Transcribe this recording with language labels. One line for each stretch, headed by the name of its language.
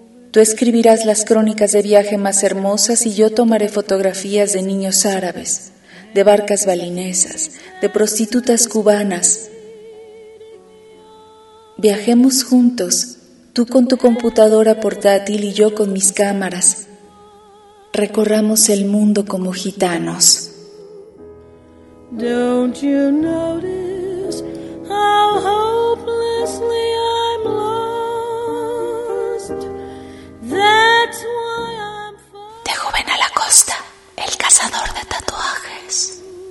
Spanish: Tú escribirás las crónicas de viaje más hermosas y yo tomaré fotografías de niños árabes, de barcas balinesas, de prostitutas cubanas. Viajemos juntos, tú con tu computadora portátil y yo con mis cámaras. Recorramos el mundo como gitanos».
English: Don't you notice how hopelessly I'm lost? That's why I'm falling.
Spanish: De joven a la costa, el cazador de tatuajes.